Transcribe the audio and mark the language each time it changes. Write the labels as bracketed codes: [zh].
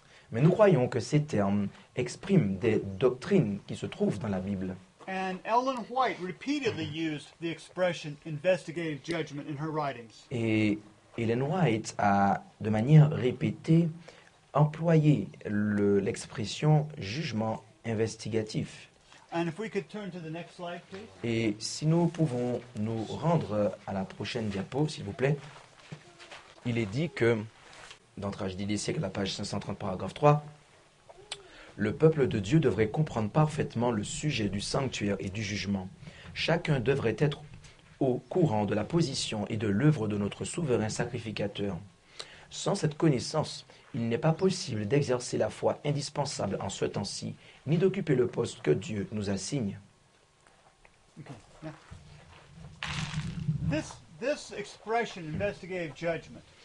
[fr] Mais nous croyons que ces termes expriment des doctrines qui se trouvent dans la Bible. [en] And Ellen White repeatedly used the expression investigative judgment in her writings. [fr] Et Ellen White a de manière répétée employé l'expression jugement investigatif. [en] And if we could turn to the next slide, please. [fr] Et si nous pouvons nous rendre à la prochaine diapo, s'il vous plaît. Il est dit que, dans Tragédie des siècles, la page 530, paragraphe 3, le peuple de Dieu devrait comprendre parfaitement le sujet du sanctuaire et du jugement. Chacun devrait être au courant de la position et de l'œuvre de notre souverain sacrificateur. Sans cette connaissance, il n'est pas possible d'exercer la foi indispensable en ce temps-ci, ni d'occuper le poste que Dieu nous assigne. [en] Okay. This expression, investigative judgment.